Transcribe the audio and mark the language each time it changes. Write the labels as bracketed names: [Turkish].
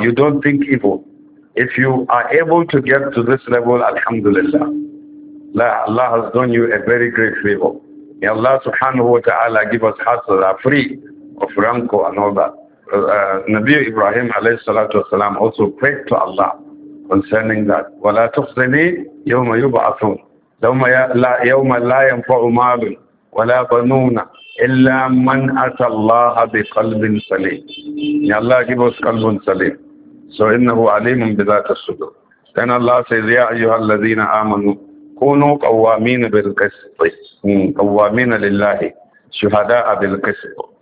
[English] You don't think evil. If you are able to get to this level, Alhamdulillah. Allah has done you a very great favor. May Allah subhanahu wa ta'ala give us hearts that are free of rancor and all that. Nabi Ibrahim alayhi salatu wasalam also prayed to Allah concerning that. [Arabic] وَلَا تُخْزَنِي يَوْمَ يُبْعَثُونَ يوم لا ينفع مال ولا بنون إلا من أتى الله بقلب سليم. [English] May Allah give us [Arabic] قلب سليم. So إنه عليم بذات الصدور. [English] Then Allah says, [Arabic] يا أيها الذين آمنوا كونوا قوامين بالقسط. قوامين لله شهداء بالقسط.